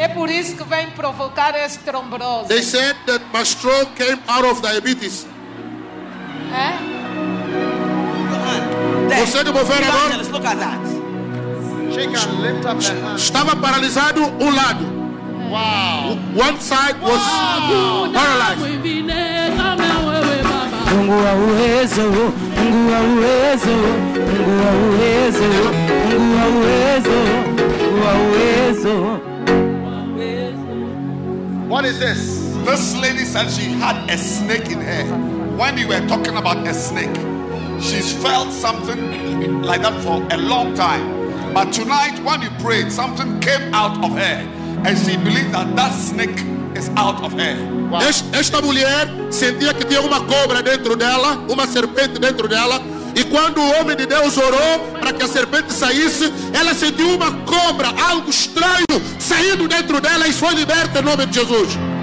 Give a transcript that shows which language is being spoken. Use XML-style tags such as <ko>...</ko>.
<pt>É por isso que vem provocar esse trombose.</pt> <en>They said that my stroke came out of diabetes.</en> <pt>É? Você de mover agora?</pt> <en>Look at that. She can lift up her hand.</en> <pt>Estava paralisado um lado.</pt> <en>Wow. One side was paralyzed. What is this? This lady said she had a snake in her. When we were talking about a snake, she's felt something like that for a long time. But tonight, when we prayed, something came out of her. And she believes that snake is out of her. Wow.</en> <pt>Esta mulher sentia que tinha uma cobra dentro dela, uma serpente dentro dela. E quando o homem de Deus orou para que a serpente saísse, ela sentiu uma cobra, algo estranho, saindo dentro dela e foi liberta em nome de Jesus.</pt>